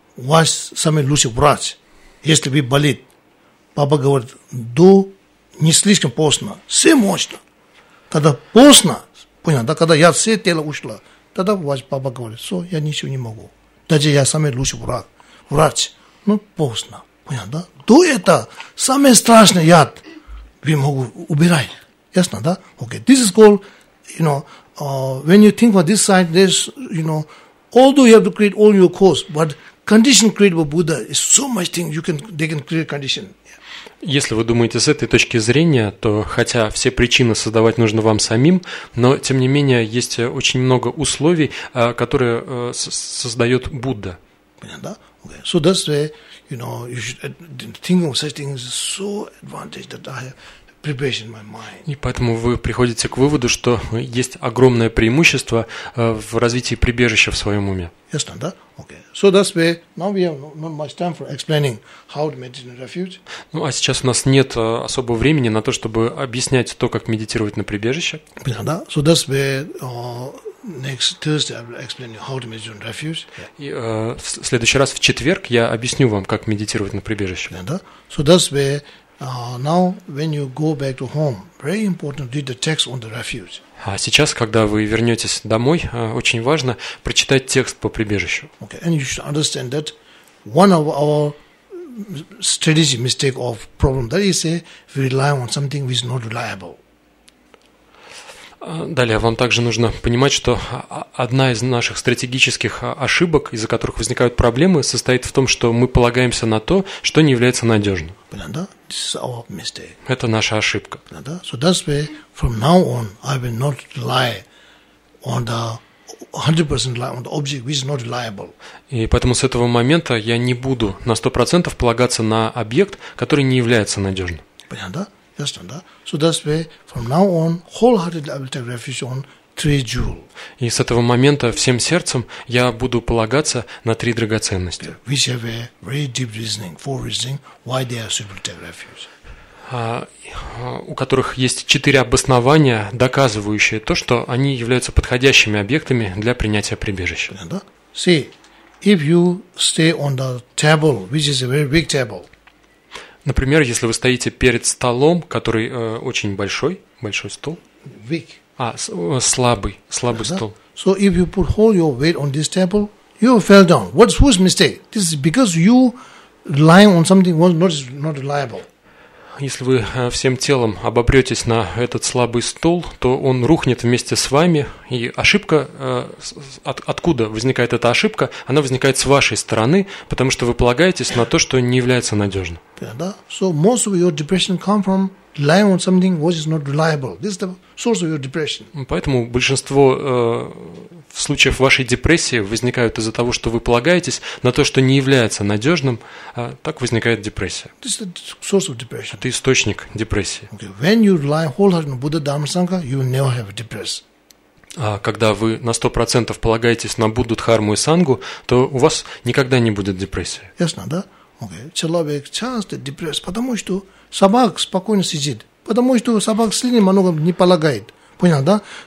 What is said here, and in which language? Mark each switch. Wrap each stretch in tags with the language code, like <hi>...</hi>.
<ru>Вас сами лучше брать, если вы болит. Папа говорит, до не слишком поздно, все можно. Когда поздно, понятно, да, когда я все тело ушло, тогда ваш папа говорит, что я ничего не могу. Даже я самый лучший враг. Врач. Ну, поздно. Понятно, да? До этого самый страшный яд вы могу убирать. Ясно, да?</ru> <en>Okay, this is called, you know, when you think about this side, there's, you know, although you have to create all your course, but condition created by Buddha is so much thing you can, they can create condition.</en> <ru>Если вы думаете с этой точки зрения, то хотя все причины создавать нужно вам самим, но тем не менее есть очень много условий, которые создает Будда. Понятно, да? Okay.</ru> <en>So that's why, you know, you should think of such things is so advantage that I have prepared in my mind.</en> <ru>И поэтому вы приходите к выводу, что есть огромное преимущество в развитии прибежища в своем уме. Ясно, да? Okay.</ru> <en>So that's why now we have not much time for explaining how to meditate in refuge.</en> <ru>Ну, а сейчас у нас нет особого времени на то, чтобы объяснять то, как медитировать на прибежище. Понятно, да?</ru> <en>So that's why next Thursday I will explain how to meditate in refuge. Yeah.</en> <ru>И в следующий раз, в четверг, я объясню вам, как медитировать на прибежище. Понятно, да?</ru> <en>So that's why now when you go back to home, very important to read the text on the refuge.</en> <ru>А сейчас, когда вы вернетесь домой, очень важно прочитать текст по прибежищу.</ru> <en>Okay, and you should understand that one of our strategic mistake of problem that is we rely on something which is not reliable.</en> <ru>Далее вам также нужно понимать, что одна из наших стратегических ошибок, из-за которых возникают проблемы, состоит в том, что мы полагаемся на то, что не является надежным. Понятно?</ru> <en>This is our mistake.</en> <ru>Это наша ошибка. Понятно?</ru> <en>So that's why from now on I will not rely on the 100% rely on the object which is not reliable.</en> <ru>И поэтому с этого момента я не буду на 100% полагаться на объект, который не является надежным. Понятно? Ясно, да?</ru> <en>So that's why from now on wholeheartedly I will take refuge on three jewels.</en> <ru>И с этого момента всем сердцем я буду полагаться на три драгоценности.</ru> <en>Which have a very deep reasoning, four reasoning why they are suitable to take refuge.</en> <ru>У которых есть четыре обоснования, доказывающие то, что они являются подходящими объектами для принятия прибежища. Понятно, да?</ru> <en>See, if you stay on the table, which is a very big table.</en> <ru>Например, если вы стоите перед столом, который очень большой, большой стол.</ru> <en>Weak.</en> <ru>Слабый стол.</ru> <en>So if you put all your weight on this table, you fell down. What's whose mistake? This is because you rely on something not reliable.</en> <ru>Если вы всем телом обопретесь на этот слабый стол, то он рухнет вместе с вами. И ошибка, откуда возникает эта ошибка, она возникает с вашей стороны, потому что вы полагаетесь на то, что не является надежным.</ru> <en>Yeah,</en> <ru>да?</ru> <en>So most of your depression come from relying on something which is not reliable. This is the source of your depression.</en> <ru>Поэтому большинство случаев вашей депрессии возникают из-за того, что вы полагаетесь на то, что не является надежным, так возникает депрессия.</ru> <en>This is the source of depression.</en> <ru>Это источник депрессии.</ru> <en>Okay. When you rely wholeheartedly on Buddha, Dharma, Sangha, you will never have depression.</en> <ru>Когда вы на 100% полагаетесь на Будду, Дхарму и Сангу, то у вас никогда не будет депрессии. Ясно, да? Okay. Человек часто депресс, потому что собак спокойно сидит, потому что собак слишком много не полагает. Понял, да?</ru>